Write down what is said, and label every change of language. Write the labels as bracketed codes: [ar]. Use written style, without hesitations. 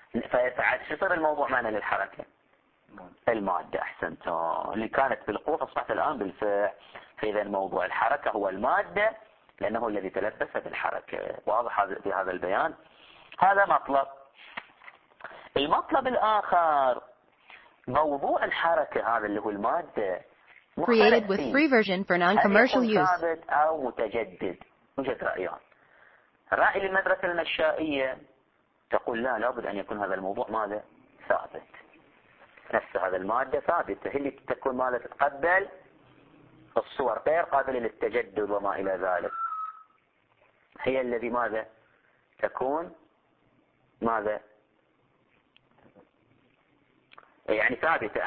[ar] فعلى شو يصير الموضوع معنا للحركة؟ المادة أحسن اللي كانت بالقوة أصبحت الآن بالفعل. فإذا موضوع الحركة هو المادة لأنه الذي تلبسه بالحركة، واضح في هذا البيان. هذا مطلب. المطلب الآخر موضوع الحركة هذا اللي هو المادة [en] created with free version for non-commercial use [ar] ثابت أو متجدد، وجد رأيان. رأي المدرسة المشائية تقول لا، لابد أن يكون هذا الموضوع ماذا ثابت، نفس هذا المادة ثابتة هي اللي تكون ماذا تتقبل الصور غير قابلة للتجدد وما إلى ذلك، هي الذي ماذا تكون ماذا يعني ثابتة.